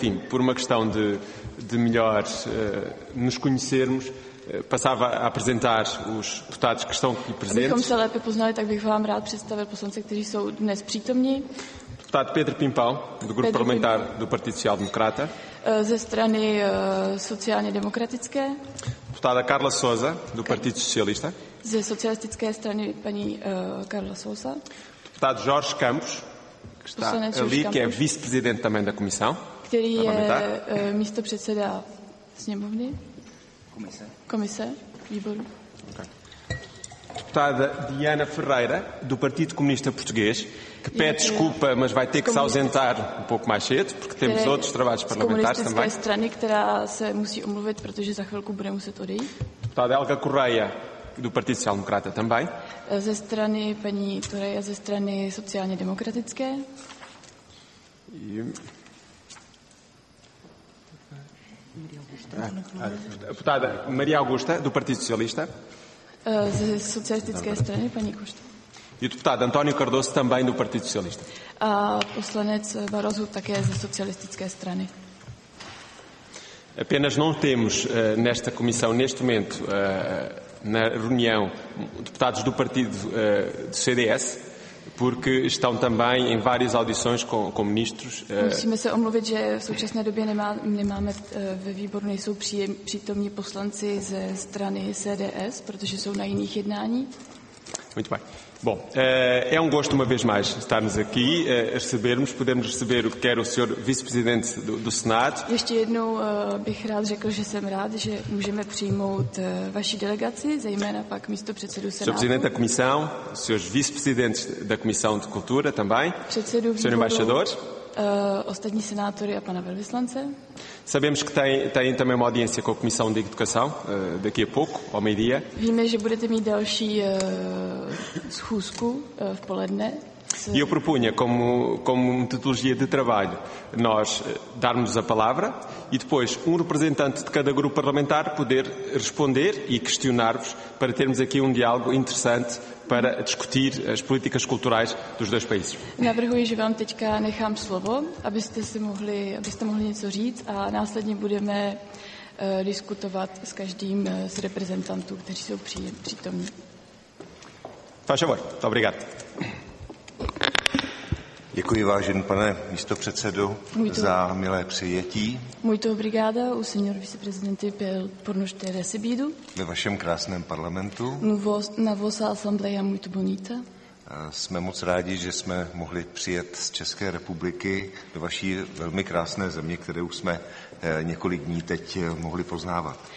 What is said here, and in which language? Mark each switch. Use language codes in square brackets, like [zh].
[pt] Por uma questão de melhor nos conhecermos, passava a apresentar os deputados que estão aqui presentes. [cs] Abychom se lépe poznali, tak bych vám rád představil poslance, kteří jsou dnes přítomní. [pt] Deputado Pedro Pimpão, do Grupo Parlamentar do Partido Social Democrata. [cs] Ze strany sociálně demokratické. [pt] Deputada Carla Sousa, do Partido Socialista. [cs] Ze socialistické strany paní Carla Sousa. [pt] Deputado Jorge Campos, que está ali, que é vice-presidente também da Comissão. [cs] Který je místopředseda sněmovny. Komise. Výboru. [pt] Deputada Diana Ferreira, do Partido Comunista Português, que pede desculpa, mas vai ter que se ausentar um pouco mais cedo, porque temos outros trabalhos parlamentares também. [cs] Strany, která se musí omluvit, protože za chvilku bude muset odejít. [pt] Deputada Helga Correia, do Partido Social Democrata também. [cs] Ze strany paní Correia, ze strany sociálně demokratické. [pt] Deputada Maria Augusta, do Partido Socialista. [cs] Ze socialistické strany, paní Košta. [pt] E o deputado António Cardoso, também do Partido Socialista. [cs] A poslanec Barroso, také ze socialistické strany. [pt] Apenas não temos nesta comissão, neste momento, na reunião, deputados do Partido do CDS, porque estão também em várias audições com ministros. [cs] Musíme se omluvit, že v současné době nemáme ve výboru, nejsou přítomní poslanci ze strany CDS, protože jsou na jiných jednání. [pt] Muito bem. Bom, é um gosto uma vez mais estarmos aqui, recebermos, podemos receber o que quer o senhor vice-presidente do Senado. [cs] Ještě jednou bych rád řekl, že jsem rád, že můžeme přijmout vaši delegaci, zejména pak místopředsedu Senátu. [pt] Senhor presidente da Comissão, senhores vice-presidentes da Comissão de Cultura também. [cs] Předsedu [pt] senhor embaixador. [cs] Ostatní senátory a pana velvyslance. [pt] Sabemos que tem também uma audiência com a Comissão de Educação daqui a pouco, ao meio-dia. [cs] Víme, že budete mít další schůzku v poledne. [pt] E eu propunha, como metodologia de trabalho, nós darmos a palavra e depois um representante de cada grupo parlamentar poder responder e questionar-vos para termos aqui um diálogo interessante para discutir as políticas culturais dos dois países. [cs] Navrhuji, že vám teďka nechám slovo, abyste mohli něco říct a následně budeme diskutovat s každým z reprezentantů, kteří jsou přítomní. [pt] Faz favor. Obrigado. [cs] Děkuji, vážený pane místopředsedu, za milé přijetí. [pt] Muito obrigada, o senhor vice-presidente, por nos ter recebido. [cs] Ve vašem krásném parlamentu. [pt] Na vossa assembleia muito bonita. [cs] Jsme moc rádi, že jsme mohli přijet z České republiky do vaší velmi krásné země, kterou jsme několik dní teď mohli poznávat.